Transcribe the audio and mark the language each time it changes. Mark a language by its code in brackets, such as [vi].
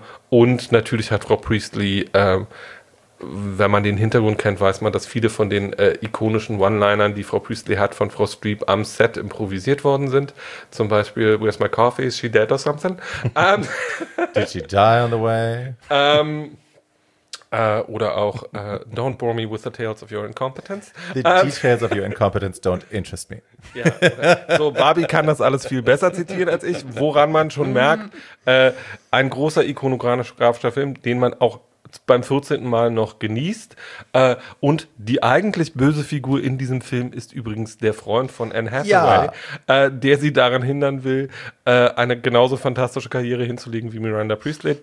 [de] Und natürlich hat Frau Priestley, wenn man den Hintergrund kennt, weiß man, dass viele von den ikonischen One-Linern, die Frau Priestley hat, von Frau Streep am Set improvisiert worden sind. Zum Beispiel, [en] where's my coffee? Is she dead or something? Did she die on the way? [de] Oder auch, [en] don't bore me with the tales of your incompetence. The details of your incompetence don't interest me. [de] Ja, so, Barbie kann das alles viel besser zitieren als ich, woran man schon merkt, ein großer ikonografischer Film, den man auch beim 14. Mal noch genießt. Und die eigentlich böse Figur in diesem Film ist übrigens der Freund von Anne Hathaway, der sie daran hindern will, eine genauso fantastische Karriere hinzulegen wie Miranda Priestley.